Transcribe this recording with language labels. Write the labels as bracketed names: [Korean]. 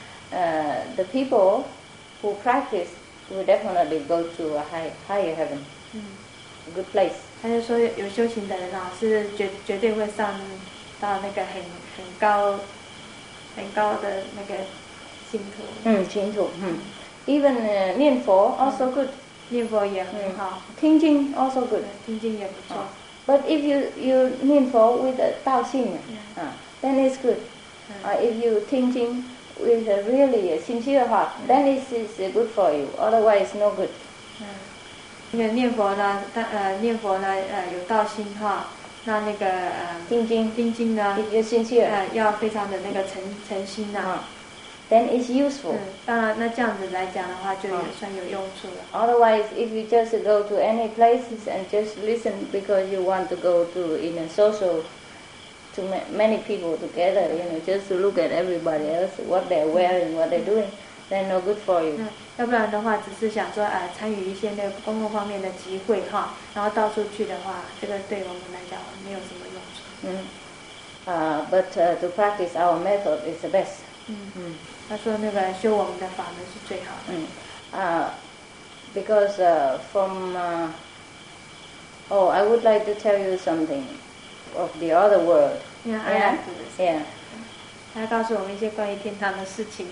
[English] The people who practice will definitely go to a higher heaven. Good place. [Chinese] 他就说有修行的人是 绝对会上到那个很高的那个净土。 [English] 净土。Even 念佛 also good. [Chinese] 念佛也很好。 [English] 听经 also good. [Chinese] 听经也不错。 [English] But if you 念佛 with a 道心 then it's good. If you 听经 with a really [Chinese] 心虚的话 [English] then it's good for you. Otherwise no good. [Chinese] 念佛呢，念佛呢，有道心哈，那那个听经呢，有兴趣，要非常的那个诚心呐、啊。 [English] Then it's useful. [Chinese] 那这样子来讲的话，就也算有用处了。 [English] Otherwise, if you just go to any places and just listen because you want to go to in a social to many people together, just to look at everybody else, what they're wearing, what they're doing. Then no good for you. [Chinese] 要不然的话，只是想说，参与一些那公共方面的集会哈，然后到处去的话，这个对我们来讲没有什么用处。 [English] But to practice our method is the best. [Chinese] 他说那个修我们的法门是最好的。 [English] Because from I would like to tell you something of the other world. Yeah. [Chinese] 他告诉我们一些关于天堂的事情。